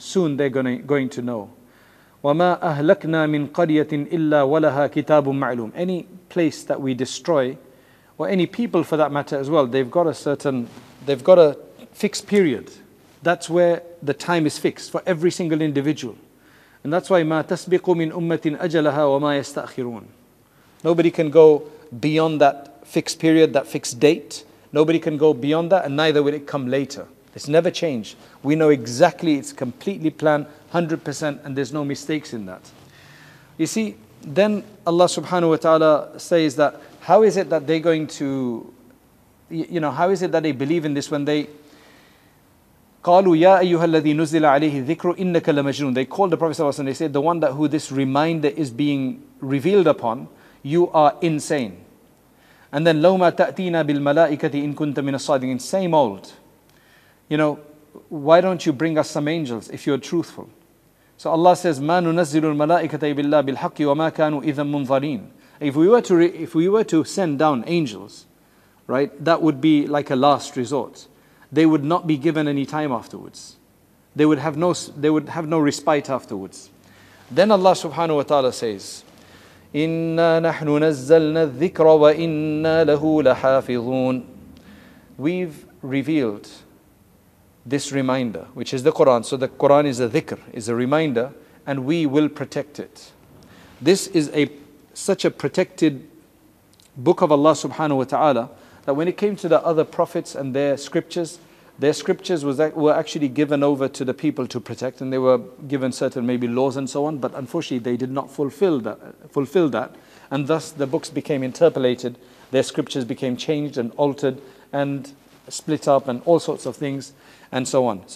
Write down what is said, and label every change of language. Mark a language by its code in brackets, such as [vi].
[en] Soon they're going to know. [ar] وَمَا أَهْلَكْنَا مِنْ قَرْيَةٍ إِلَّا وَلَهَا كِتَابٌ مَعْلُومٌ. [en] Any place that we destroy, or any people for that matter as well, they've got a fixed period. That's where the time is fixed for every single individual. And that's why [ar] مَا تَسْبِقُ مِنْ أُمَّةٍ أَجَلَهَا وَمَا يَسْتَأْخِرُونَ. [en] Nobody can go beyond that fixed period, that fixed date. Nobody can go beyond that, and neither will it come later. It's never changed. We know exactly, it's completely planned, 100%, and there's no mistakes in that. You see, then Allah subhanahu wa ta'ala says that, how is it that they're going to, you know, how is it that they believe in this when they, [ar] قَالُوا يَا أَيُّهَا الَّذِي نُزِّلَ عَلَيْهِ ذِكْرُ إِنَّكَ لَمَجْنُونَ. [en] They called the Prophet sallallahu alayhi wa sallam, they said, the one that who this reminder is being revealed upon, you are insane. And then [ar] لَوْمَا تَأْتِينَا بِالْمَلَائِكَةِ إِن كُنْتَ مِنَ الصَّادِقِينَ. [en] Same old. You know, why don't you bring us some angels if you're truthful? So Allah says, [ar] مَا نُنَزِّلُ الْمَلَائِكَةَ إِبِلَّا بِالْحَقِّ وَمَا كَانُوا إِذًا مُنْظَرِينَ. [en] If we were to send down angels, right, that would be like a last resort. They would not be given any time afterwards. They would have no respite afterwards. Then Allah subhanahu wa ta'ala says, [ar] إِنَّا نَحْنُ نَزَّلْنَا الذِّكْرَ وَإِنَّا لَهُ لَحَافِظُونَ. [en] We've revealed this reminder, which is the Quran. So the Quran is a dhikr, is a reminder, and we will protect it. This is such a protected book of Allah subhanahu wa ta'ala, that when it came to the other prophets and their scriptures were actually given over to the people to protect, and they were given certain maybe laws and so on, but unfortunately they did not fulfill that, and thus the books became interpolated, their scriptures became changed and altered and split up and all sorts of things and so on.